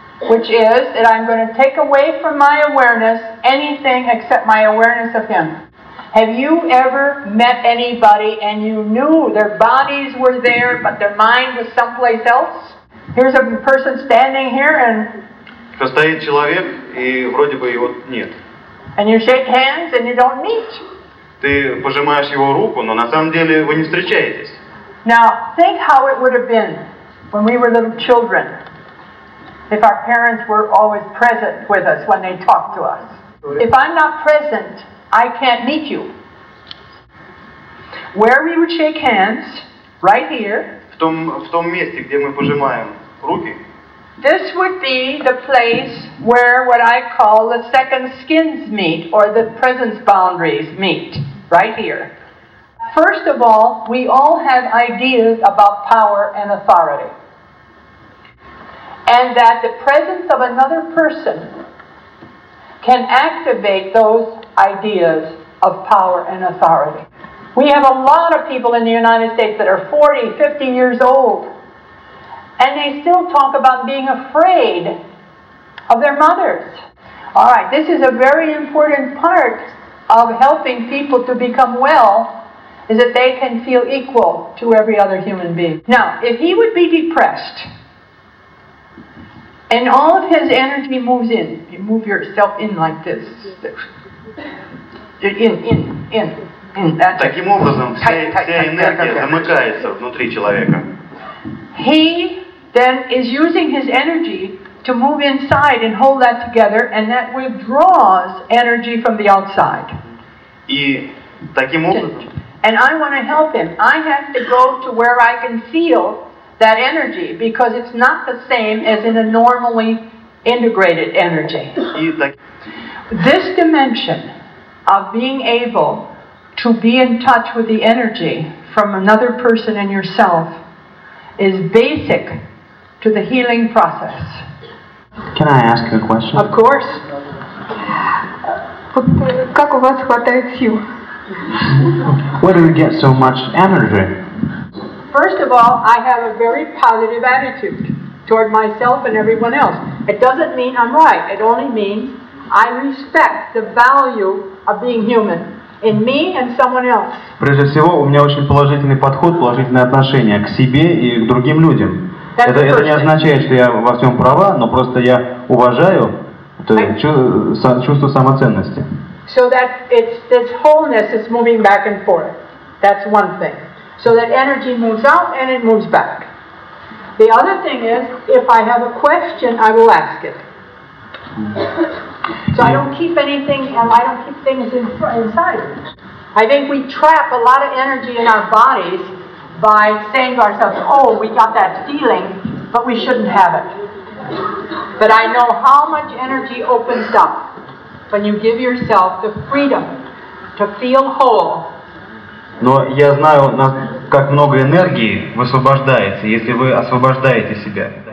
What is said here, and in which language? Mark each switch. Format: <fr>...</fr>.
<en>Which is that I'm going to take away from my awareness anything except my awareness of him. Have you ever met anybody and you knew their bodies were there, but their mind was someplace else? Here's a person standing here and...</en> <ru>стоит человек, и вроде бы его нет.</ru> <en>And you shake hands and you don't meet.</en> <ru>Ты пожимаешь его руку, но на самом деле вы не встречаетесь.</ru> <en>Now, think how it would have been when we were little children. If our parents were always present with us when they talked to us. If I'm not present, I can't meet you. Where we would shake hands, right here.</en> <ru>В том месте, где мы пожимаем руки.</ru> <en>This would be the place where what I call the second skins meet, or the presence boundaries meet, right here. First of all, we all have ideas about power and authority. And that the presence of another person can activate those ideas of power and authority. We have a lot of people in the United States that are 40, 50 years old, and they still talk about being afraid of their mothers. All right, this is a very important part of helping people to become well, is that they can feel equal to every other human being. Now, if he would be depressed, and all of his energy moves in, you move yourself in like this, in.</en> <ru>Таким образом, вся энергия замыкается внутри человека.</ru> <en>He then is using his energy to move inside and hold that together, and that withdraws energy from the outside.</en> <ru>И таким образом.</ru> <en>And I want to help him. I have to go to where I can feel that energy, because it's not the same as in a normally integrated energy. This dimension of being able to be in touch with the energy from another person and yourself is basic to the healing process. Can I ask a question? Of course.</en> <ru>Как у вас хватает сил?</ru> <en>Where do we get so much energy? First of all, I have a very positive attitude toward myself and everyone else. It doesn't mean I'm right. It only means I respect the value of being human in me and someone else.</en> <ru>Прежде всего, у меня очень положительный подход, положительное отношение к себе и к другим людям. Это не означает, что я во всем права, но просто я уважаю чувство самоценности.</ru> <en>So that it's this wholeness is moving back and forth. That's one thing. So that energy moves out and it moves back. The other thing is, if I have a question, I will ask it. So I don't keep anything, and I don't keep things inside. I think we trap a lot of energy in our bodies by saying to ourselves, oh, we got that feeling, but we shouldn't have it. But I know how much energy opens up when you give yourself the freedom to feel whole.</en> <ru>Но я знаю, как много энергии высвобождается, если вы освобождаете себя.</ru>